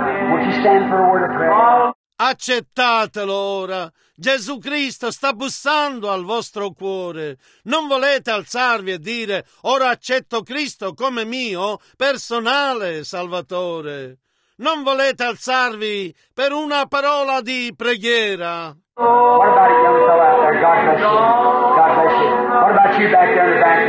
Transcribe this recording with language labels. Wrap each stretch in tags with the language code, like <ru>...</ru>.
<en>Won't you stand for a word of prayer?</en> <it>Accettatelo ora. Gesù Cristo sta bussando al vostro cuore. Non volete alzarvi e dire: ora accetto Cristo come mio personale Salvatore. Non volete alzarvi per una parola di preghiera.</it> <en>What about you, young fellow out there? God bless you. God bless you. What about you back there in the back?</en>